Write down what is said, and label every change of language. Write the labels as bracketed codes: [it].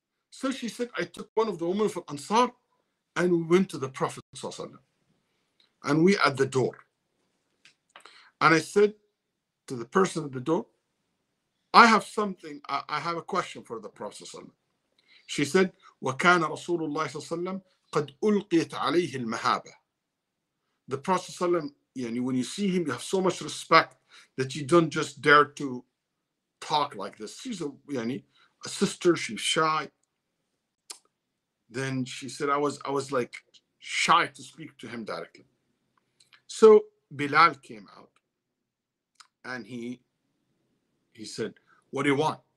[en] So she said, "I took one of the women from Ansar and we went to the Prophet. And we at the door. And I said to the person at the door, I have something, I have a question for the Prophet." She said, [ar] "وَكَانَ رَسُولُ اللَّهِ صَلَّى اللَّهِ قَدْ أُلْقِيَتْ عَلَيْهِ الْمَهَابَةِ." [en] The Prophet, when you see him, you have so much respect that you don't just dare to talk like this. She's a sister, she's shy. Then she said, I was like shy to speak to him directly. So Bilal came out and he said, what do you want?